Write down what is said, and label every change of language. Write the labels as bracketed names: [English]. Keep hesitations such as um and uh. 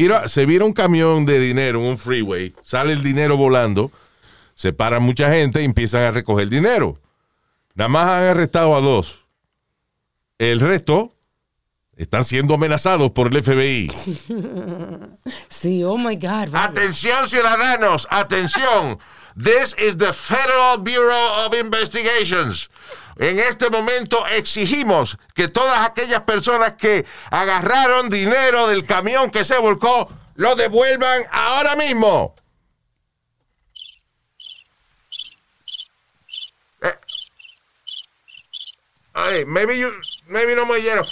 [Spanish] vira, se vira un camión de dinero en un freeway, sale el dinero volando, se para mucha gente y empiezan a recoger dinero. Nada más han arrestado a dos. El resto están siendo amenazados por el FBI. [English] Sí, oh my God. vale. [Spanish] Atención ciudadanos, atención. [English] This is the Federal Bureau of Investigations. [Spanish] En este momento exigimos que todas aquellas personas que agarraron dinero del camión que se volcó lo devuelvan ahora mismo. Eh, ay, [English] maybe you- maybe [Spanish] no me oyeron.